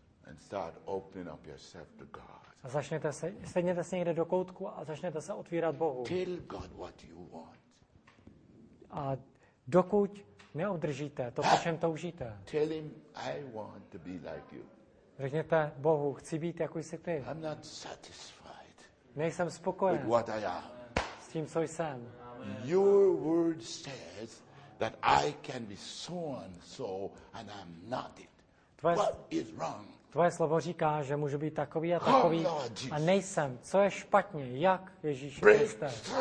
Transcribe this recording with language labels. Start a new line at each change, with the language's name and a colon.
English: And start opening up yourself to God.
Czech: A začněte se, sedněte se někde do koutku a začněte se otvírat Bohu.
English: Tell God what you want.
Czech: A dokud neobdržíte to, po čem toužíte.
English: Tell him, I want to be like you.
Czech: Řekněte Bohu, chci být, jako jsi ty.
English: I'm not satisfied.
Czech: Nejsem spokojen
English: with what I am.
Czech: S tím, co jsem.
English: Your word says that I can be so and so and I'm not it. What is wrong?
Czech: Tvoje slovo říká, že můžu být takový a takový a nejsem. Co je špatně? Jak, Ježíš Kriste?